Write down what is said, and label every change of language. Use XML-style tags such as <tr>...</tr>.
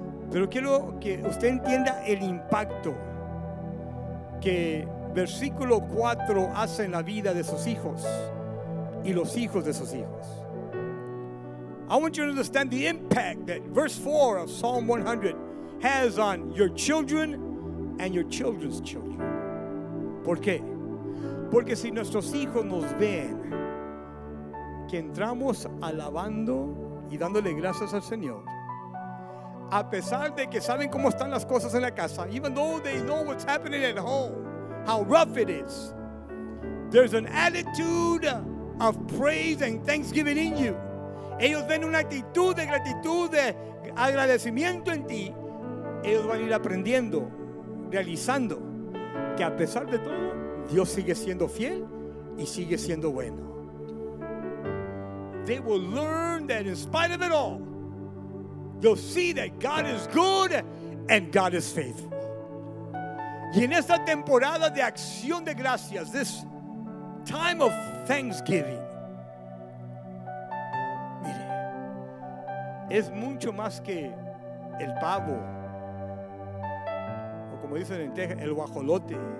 <es>Pero quiero que usted entienda el impacto que versículo 4 hace en la vida de sus hijos y los hijos de sus hijos.</es> <en>I want you to understand the impact that verse 4 of Psalm 100 has on your children and your children's children.</en> <es>¿Por qué? Porque si nuestros hijos nos ven que entramos alabando y dándole gracias al Señor, a pesar de que saben cómo están las cosas en la casa,</es> <en>even though they know what's happening at home, how rough it is, there's an attitude of praise and thanksgiving in you.</en> <es>Ellos ven una actitud de gratitud, de agradecimiento en ti. Ellos van a ir aprendiendo, realizando que a pesar de todo, Dios sigue siendo fiel y sigue siendo bueno.</es> <en>They will learn that in spite of it all, they'll see that God is good and God is faithful.</en> <es>Y en esta temporada de acción de gracias,</es> <en>this time of thanksgiving,</en> <es>mire, es mucho más que el pavo, como dicen en Texas, el guajolote,</es>